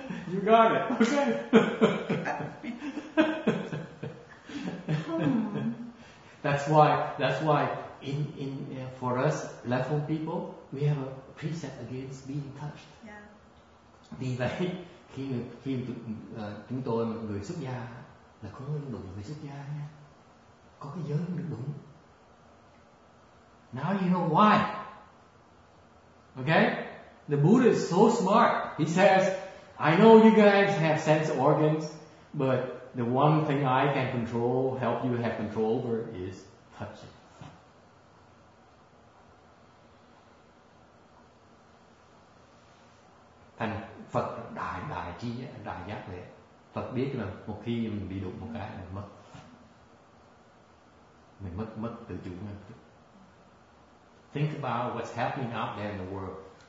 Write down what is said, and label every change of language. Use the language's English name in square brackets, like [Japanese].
[English] You got it, okay. That's why in for us left-home people, we have a precept against being touched. [Vietnamese] Vì vậy khi khi chúng tôi là người xuất gia là không nên đụng người xuất gia nha. Có cái giới được đụng. [English] Now you know why. Okay, the Buddha is so smart. He says, I know you guys have sense organs, but the one thing I can control, help you have control over, is touching. [Vietnamese] Thành Phật đại đại trí đại giác lệ. Phật biết là một khi mình bị đụng một cái mình mất. Mình mất mất tự chủ mình. [English] Think about what's happening out there in the world.